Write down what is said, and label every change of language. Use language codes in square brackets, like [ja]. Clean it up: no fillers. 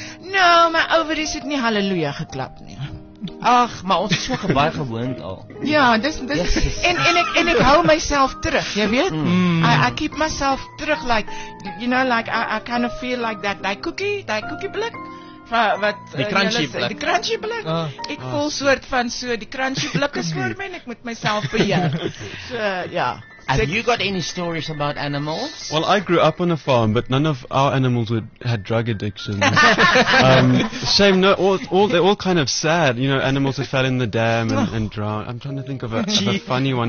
[en] No, my ovaries had not hallelujah [af] geklapt nie. Ach, maar ons is so gebaar gewoond al. Ja, dis yes. En ek hou myself terug, jy weet. [en] I keep myself terug, like, you know, like, I kind of feel like that. [af] Die cookie blik. Die crunchy blik. Ek voel soort van so, die crunchy blik is voor my en ek moet myself beheer. So, ja. [en] Have you got any stories about animals? Well, I grew up on a farm, but none of our animals had drug addictions. shame, no, they're all kind of sad. You know, animals that fell in the dam and drowned. I'm trying to think of a funny one.